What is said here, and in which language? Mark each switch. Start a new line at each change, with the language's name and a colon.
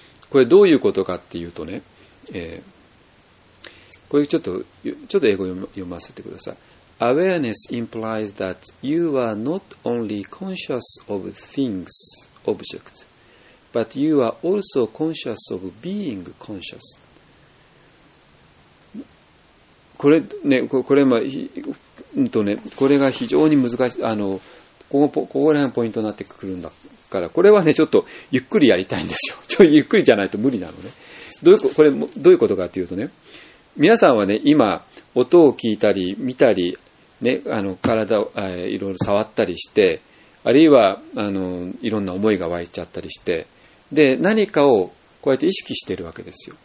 Japanese: これどういうことかっていうとね、これちょっと英語読ませてください。
English: Awareness implies that you are not only conscious of things, objects, but you are also conscious of being conscious。
Japanese: これね、これ、まあ、ね、これが非常に難しい、ここら辺がポイントになってくるんだから、これはねちょっとゆっくりやりたいんですよ。ちょっとゆっくりじゃないと無理なのね。これどういうことかというとね、皆さんはね今音を聞いたり見たり、ね、体をいろいろ触ったりして、あるいはいろんな思いが湧いちゃったりして、で何かをこうやって意識しているわけですよ。